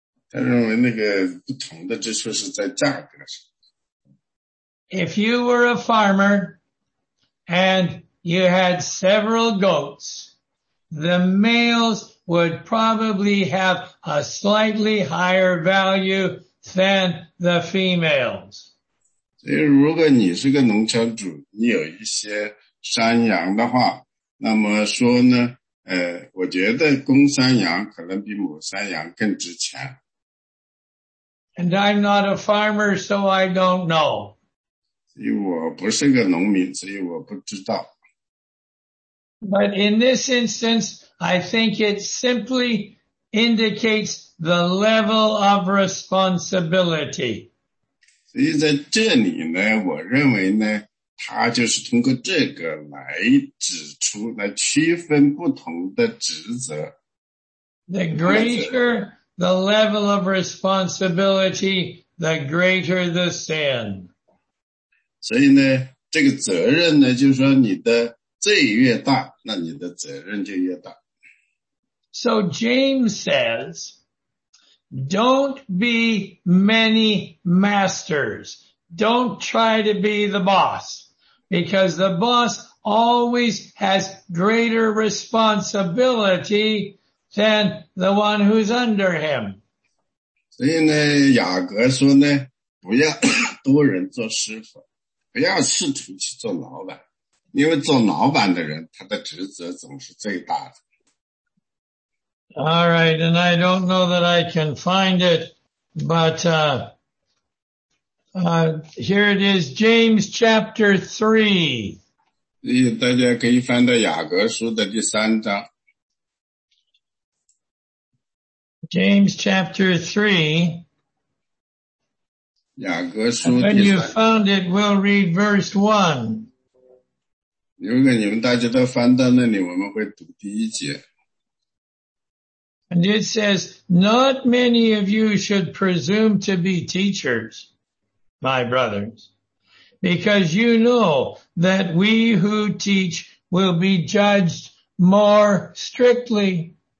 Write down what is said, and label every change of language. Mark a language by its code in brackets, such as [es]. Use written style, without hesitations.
[zh] 他认为那个不同的就是在价格上。 [en] If you were a farmer and you had several goats,The males would probably have a slightly higher value than the females. [zh] 所以如果你是个农场主，你有一些山羊的话，那么说呢，我觉得公山羊可能比母山羊更值钱。 [en] And I'm not a farmer, so I don't know. [zh] 所以我不是个农民，所以我不知道。 [en] But in this instance, I think it simply indicates the level of responsibility. [zh] 所以在这里呢，我认为呢，他就是通过这个来指出，来区分不同的职责。 [en] The greater the level of responsibility, the greater the sin. [zh] 所以呢，这个责任呢，就是说你的罪越大，那你的责任就越大。 [en] So James says, don't be many masters. Don't try to be the boss. Because the boss always has greater responsibility than the one who's under him. [zh] 所以呢，雅各说呢，不要多人做师傅，不要试图去做老板。因为做老板的人，他的职责总是最大的。 [en] All right, and I don't know that I can find it, but here it is, James chapter 3. [zh] 大家可以翻到雅各书的第三章。 [en] James chapter 3. [zh] 雅各书第三章。 [en] When you found it, we'll read verse 1. [zh] 如果你们大家都翻到那里，我们会读第一节。 [en] And it says, not many of you should presume to be teachers, my brothers, because you know that we who teach will be judged more strictly.